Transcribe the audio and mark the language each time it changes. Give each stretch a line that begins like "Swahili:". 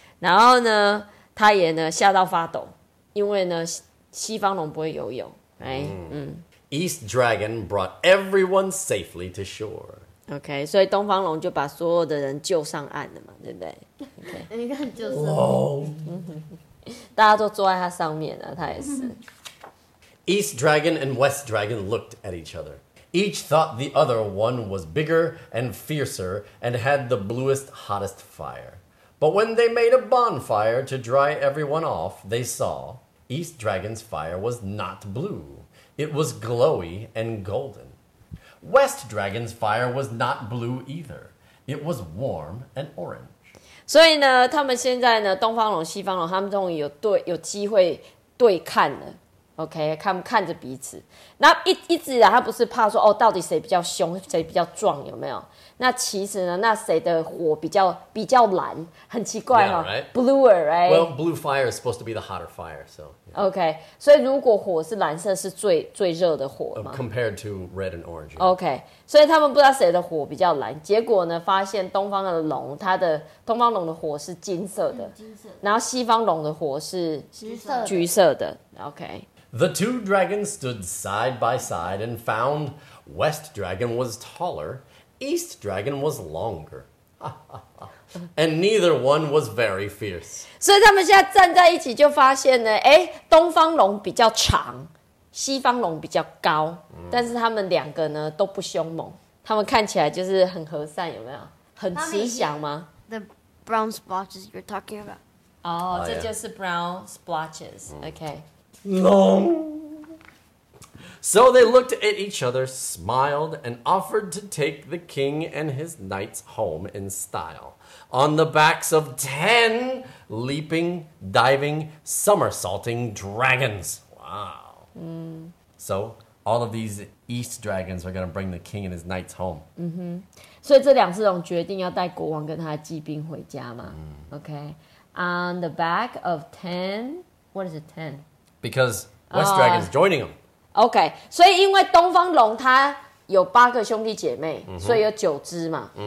Chinese: 然后呢，他也呢吓到发抖，因为呢西方龙不会游泳，哎，嗯。
English: East Dragon brought everyone safely to shore.
Chinese: OK, 所以东方龙就把所有的人救上岸了嘛，对不对？应该就是。大家都坐在他上面了，他也是。
English: East Dragon and West Dragon looked at each other. Each thought the other one was bigger and fiercer and had the bluest, hottest fire. But when they made a bonfire to dry everyone off, they saw East Dragon's fire was not blue. It was glowy and golden. West Dragon's fire was not blue either. It was warm and orange.
Chinese: 所以呢，他们现在呢，东方龙、西方龙，他们终于有对有机会对看了。 OK， 他们看着彼此。那一直以来，他不是怕说哦，到底谁比较凶，谁比较壮，有没有？那其实呢，那谁的火比较蓝，很奇怪哈、
English: 哦 right? ，bluer right? Well, blue fire is supposed to be the hotter fire, so.、 Yeah.
Chinese: OK， 所以如果火是蓝色，是最热的火吗、
English: Compared to red and orange.、 Yeah.
Chinese: OK， 所以他们不知道谁的火比较蓝，结果呢，发现东方的龙，它的东方龙的火是金色的，金色，然后西方龙的火是橘色的。
English: OK， the two dragons stood side by side and found West Dragon was taller. East Dragon was longer, and neither one was very fierce.
Chinese: 所以他们现在站在一起就发现呢，哎，东方龙比较长，西方龙比较高，但是他们两个呢都不凶猛，他们看起来就是很和善，有没有？很慈祥吗
English: ？The brown splotches you're talking about. 哦、oh, ，
Chinese: 这就是
English: brown splotches. Okay. Long. So they looked at each other, smiled, and offered to take the king and his knights home in style, on the backs of 10 leaping, diving, somersaulting dragons. Wow. Mm. So all of these east dragons are going to bring the king and his knights home. Mm-hmm.
Chinese: 所以这两次龙决定要带国王跟他的骑兵回家嘛。
English: Mm. Okay. On the back of 10, what is it, 10? Because west dragon's joining them.
Chinese: OK, 所以因为东方龙它有八个兄弟姐妹、mm-hmm. 所以有九只嘛、mm-hmm.